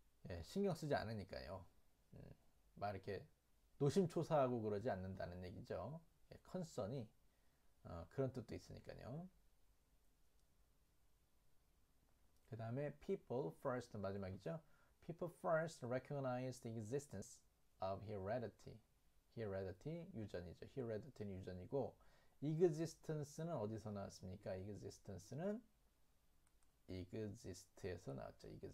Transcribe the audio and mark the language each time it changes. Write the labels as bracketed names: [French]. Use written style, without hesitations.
[Korean] 예, 신경 쓰지 않으니까요. 막 이렇게 노심초사하고 그러지 않는다는 얘기죠. 예, 컨선이 그런 뜻도 있으니까요. 그다음에 people first 마지막이죠. [English] People first recognize the existence of heredity. [Korean] Heredity 유전이죠. Heredity는 유전이고. Existence는 어디서 나왔습니까? Existence는 exist에서 나왔죠.